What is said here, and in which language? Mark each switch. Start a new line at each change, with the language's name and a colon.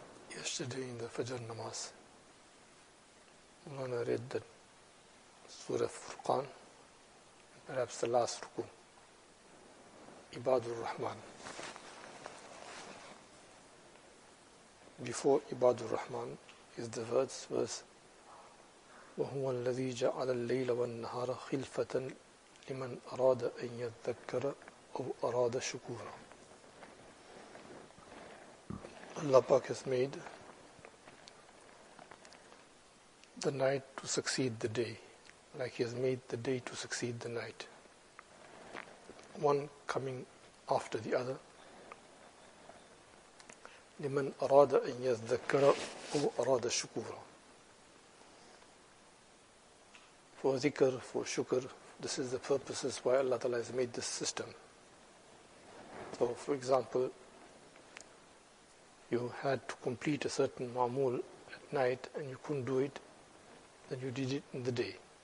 English: Yesterday in the Fajr Namaz, Mulana read the Surah Furqan, perhaps the last ruku, Ibadur Rahman. Before Ibadur Rahman is the verse,
Arabic: وَهُوَ الَّذِي جَعَلَ اللَّيْلَ وَالنَّهَارَ خِلْفَةً لِمَنْ أَرَادَ أَنْ يَذَّكَّرَ أَوْ أَرَادَ شُكُورًا.
English: Allah Pak has made the night to succeed the day, like He has made the day to succeed the night, one coming after the other.
Arabic: لِمَنْ أَرَادَ أَنْ يَذَّكَّرَ أَوْ أَرَادَ شُكُورًا.
English: For dhikr, for shukr, this is the purposes why Allah Ta'ala has made this system. So, for example, you had to complete a certain ma'mool at night and you couldn't do it, then you did it in the day.